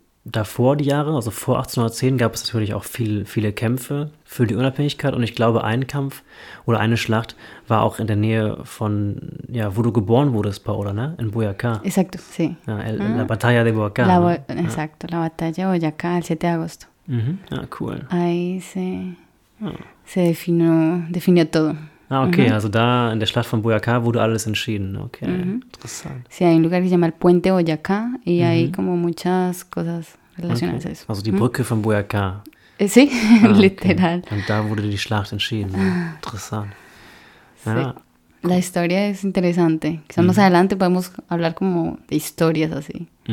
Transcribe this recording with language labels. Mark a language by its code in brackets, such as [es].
[de] davor die Jahre, also vor 1810, gab es natürlich auch viele Kämpfe für die Unabhängigkeit. Und ich glaube, ein Kampf oder eine Schlacht war auch in der Nähe von, ja, wo du geboren wurdest, Paola, ne? [es] In Boyacá. Exacto, sí. [de] Ja, la Batalla de Boyacá, ne? [es] La, exacto, la batalla de Boyacá el 7 de agosto. [de] Ja, cool. [es] Ahí se, [de] Ja. [es] se definió, definió todo. [de] Ah, okay, also da in der Schlacht von Boyacá wurde alles entschieden. Okay, interessant. [es] Sí, hay un lugar que se llama el Puente Boyacá y hay como muchas cosas relacionadas a [de] Okay, [es] eso. [de] also die Brücke von Boyacá. [es] Sí, [de] Ah, okay. [es] literal. [de] Und da wurde die Schlacht entschieden. Ja, interessant. [es] Sí. La [de] cool. [es] historia es interesante. Quizás más adelante podemos hablar como de historias así.